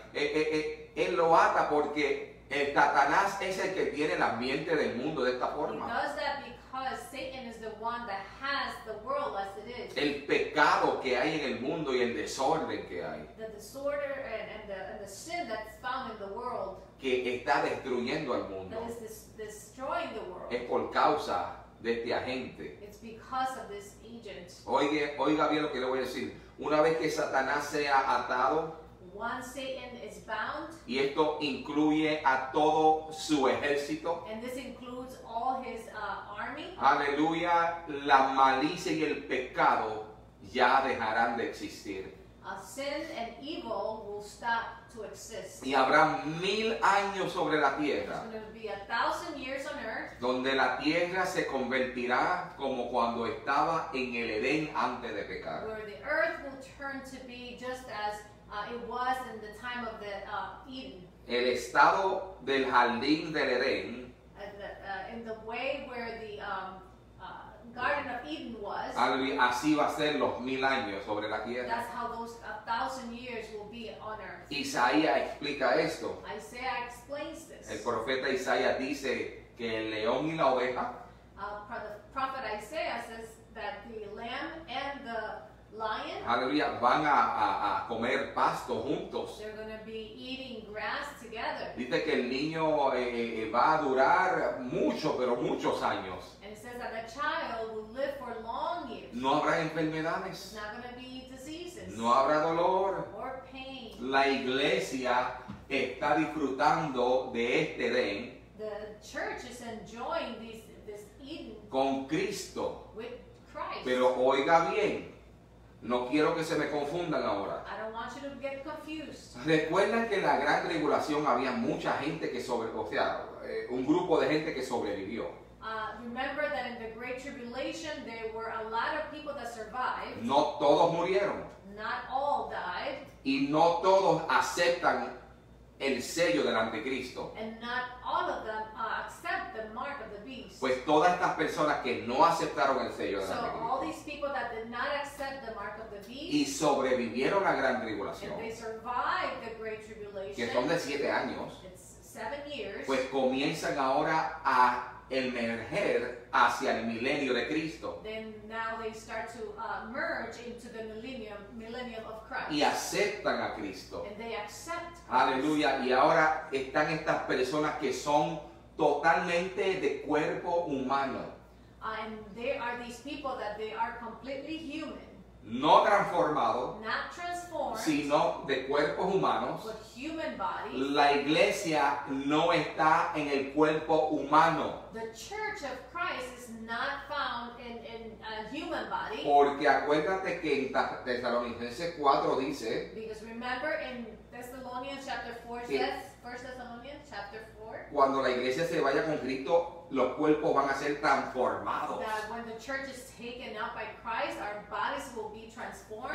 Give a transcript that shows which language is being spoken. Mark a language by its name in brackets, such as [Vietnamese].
[Spanish] Él lo ata porque el Satanás es el que tiene la mente del mundo de esta forma. [English] He does that because because Satan is the one that has the world as it is. [Spanish] El pecado que hay en el mundo y el desorden que hay. [English] The disorder and the sin that's found in the world. [Spanish] Que está destruyendo al mundo. [English] That is destroying the world. [Spanish] Es por causa de este agente. [English] It's because of this agent. [Spanish] Oiga bien lo que le voy a decir. Una vez que Satanás sea atado. [English] Once Satan is bound. [Spanish] Y esto incluye a todo su ejército. [English] And this includes all his army. [Spanish] Aleluya. La malicia y el pecado ya dejarán de existir. [English] Sin and evil will stop to exist. [Spanish] Y habrá 1,000 años sobre la tierra. [English] There's going to be 1,000 years on earth. [Spanish] Donde la tierra se convertirá como cuando estaba en el Edén antes de pecar. [English] Where the earth will turn to be just as it was in the time of the Eden. [Spanish] El estado del jardín del Edén. [English] In the way where the Garden of Eden was. [Spanish] Así va a ser los 1,000 años sobre la tierra. [English] That's how those 1,000 years will be on earth. [Spanish] Isaías explica esto. [English] Isaiah explains this. [Spanish] El profeta Isaías dice que el león y la oveja. [English] The prophet Isaiah says that the lamb and the lion. [Spanish] Aleluya, van a comer pasto juntos. [English] They're going to be eating grass together. [Spanish] Dice que el niño va a durar mucho, pero muchos años. [English] And it says that the child will live for long years. [Spanish] No habrá enfermedades. [English] It's not going to be diseases. [Spanish] No habrá dolor. [English] Or pain. [Spanish] La iglesia está disfrutando de este Edén. [English] The church is enjoying this Eden. [Spanish] Con Cristo. [English] With Christ. [Spanish] Pero oiga bien. No quiero que se me confundan ahora. [English] I don't want you to get confused. [Spanish] Recuerda que en la gran tribulación había mucha gente que sobrevivió, o sea, un grupo de gente que sobrevivió. [English] Remember that in the great tribulation there were a lot of people that survived. [Spanish] No todos murieron. [English] Not all died. [Spanish] Y no todos aceptan el sello del anticristo. [English] And not all of them accept the mark of the beast. [Spanish] Pues todas estas personas que no aceptaron el sello del anticristo. [English] So all these people that did not accept the mark of the beast. [Spanish] Y sobrevivieron la gran tribulación. [English] And they survived the great tribulation. [Spanish] Que son de 7 años. [English] It's 7 years. [Spanish] Pues comienzan ahora a emerger hacia el milenio de Cristo. [English] Then now they start to merge into the millennium of Christ. [Spanish] Y aceptan a Cristo. [English] And they accept Christ. [Spanish] Aleluya. Y ahora están estas personas que son totalmente de cuerpo humano. [English] And there are these people that they are completely human. [Spanish] No transformado, [English] not transformed, [Spanish] sino de cuerpos humanos. [English] But human bodies. [Spanish] La iglesia no está en el cuerpo humano. [English] The church of Christ is not found in a human body. [Spanish] Porque acuérdate que en Tesalonicenses 4 dice. [English] Because remember in Thessalonians chapter 4, yes, 1 Thessalonians chapter 4. [Spanish] Cuando la iglesia se vaya con Cristo, los cuerpos van a ser transformados. [English] That when the church is taken up by Christ, our bodies will be transformed.